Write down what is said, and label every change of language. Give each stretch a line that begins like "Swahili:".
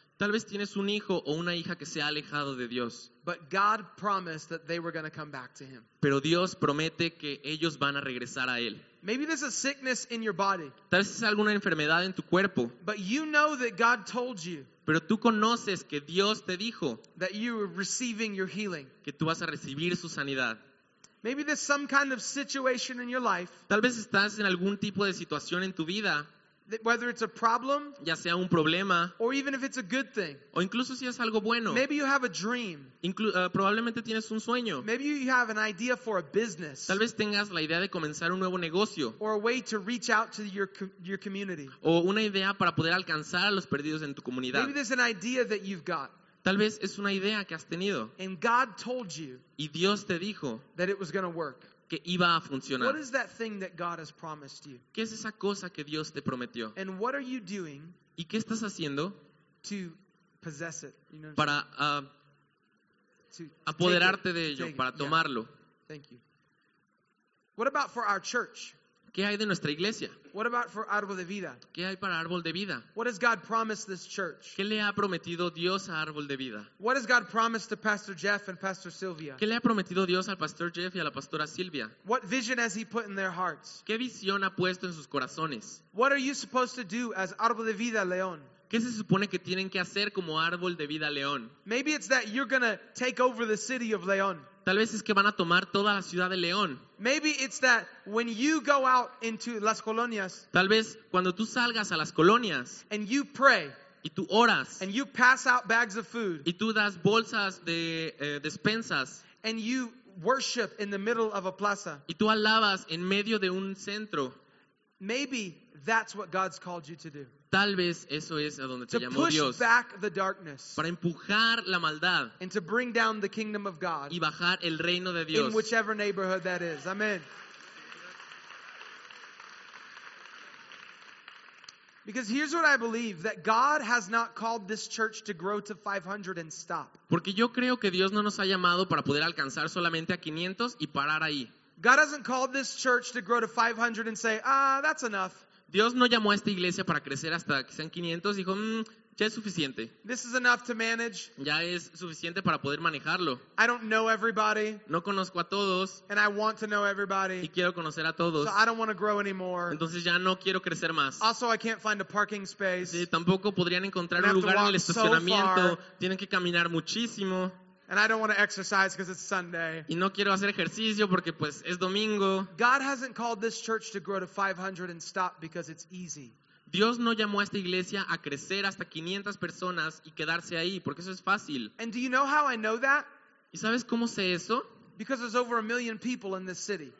Spanish: Tal vez tienes un hijo o una hija que se ha alejado de Dios.
English: But God promised that they were going to come back to him.
Spanish: Pero Dios promete que ellos van a regresar a él.
English: Maybe there's a sickness in your body.
Spanish: Tal vez es alguna enfermedad en tu cuerpo.
English: But you know that God told you.
Spanish: Pero tú conoces que Dios te dijo
English: that you are receiving your healing.
Spanish: Que tú vas a recibir su sanidad.
English: Maybe there's some kind of situation in your life.
Spanish: Tal vez estás en algún tipo de situación en tu vida.
English: Whether it's a problem,
Spanish: ya sea un problema,
English: or even if it's a good thing,
Spanish: o incluso si es algo bueno,
English: maybe you have a dream,
Spanish: probablemente tienes un sueño,
English: maybe you have an idea for a business,
Spanish: tal vez tengas la idea de comenzar un nuevo negocio,
English: or a way to reach out to your community,
Spanish: o una idea para poder alcanzar a los perdidos en tu comunidad,
English: maybe there's an idea that you've got,
Spanish: tal vez es una idea que has tenido,
English: and God told you,
Spanish: y Dios te dijo,
English: that it was going to work.
Spanish: Que iba a funcionar.
English: What is that thing that God has promised you?
Spanish: ¿Qué es esa cosa que Dios te prometió?
English: And what are you doing?
Spanish: ¿Y qué estás haciendo?
English: To possess it. You know,
Spanish: para
English: to
Spanish: apoderarte
English: take it,
Spanish: de ello, take it. Para tomarlo.
English: Yeah. Thank you. What about for our church?
Spanish: ¿Qué hay de nuestra iglesia?
English: What about for Árbol de Vida?
Spanish: ¿Qué hay para Árbol de Vida?
English: What has God promised this church?
Spanish: ¿Qué le ha prometido Dios a Árbol de Vida?
English: What has God promised to Pastor Jeff and Pastor Sylvia?
Spanish: ¿Qué le ha prometido Dios al Pastor Jeff y a la Pastora Silvia?
English: What vision has he put in their hearts?
Spanish: ¿Qué visión ha puesto en sus corazones?
English: What are you supposed to do as Árbol de Vida León?
Spanish: ¿Qué se supone que tienen que hacer como Árbol de Vida León?
English: Maybe it's that you're going to take over the city of León.
Spanish: Tal vez es que van a tomar toda la ciudad de León.
English: Maybe it's that when you go out into
Spanish: las colonias, tal vez cuando tú salgas a las colonias,
English: and you pray,
Spanish: y tú oras,
English: and you pass out bags of food,
Spanish: y tú das bolsas de despensas,
English: and you worship in the middle of a plaza,
Spanish: y tú alabas en medio de un centro,
English: maybe that's what God's called you to do.
Spanish: Tal vez eso es a donde te llamó Dios.
English: Back the darkness,
Spanish: para empujar la maldad.
English: And to bring down the kingdom of God,
Spanish: y bajar el reino de Dios.
English: In whichever neighborhood that is. Amen. Because here's what I believe, that God has not called this church to grow to 500 and stop.
Spanish: Porque yo creo que Dios no nos ha llamado para poder alcanzar solamente a 500 y parar ahí.
English: God hasn't called this church to grow to 500 and say, that's enough.
Spanish: Dios no llamó a esta iglesia para crecer hasta que sean 500. Dijo, Ya es suficiente.
English: This is enough to manage.
Spanish: Ya es suficiente para poder manejarlo.
English: I don't know everybody.
Spanish: No conozco a todos.
English: And I want to know everybody.
Spanish: Y quiero conocer a todos.
English: So I don't want to grow anymore.
Spanish: Entonces ya no quiero crecer más.
English: Also, I can't find a parking space.
Spanish: Sí, tampoco podrían encontrar un lugar en el estacionamiento. Tienen que caminar muchísimo.
English: And I don't want to exercise because it's Sunday.
Spanish: Y no quiero hacer ejercicio porque pues es domingo.
English: God hasn't called this church to grow to 500 and stop because it's easy.
Spanish: Dios no llamó a esta iglesia a crecer hasta 500 personas y quedarse ahí, porque eso es fácil.
English: And do you know how I know that?
Spanish: ¿Y sabes cómo sé eso?
English: Because there's over 1 million people in this city.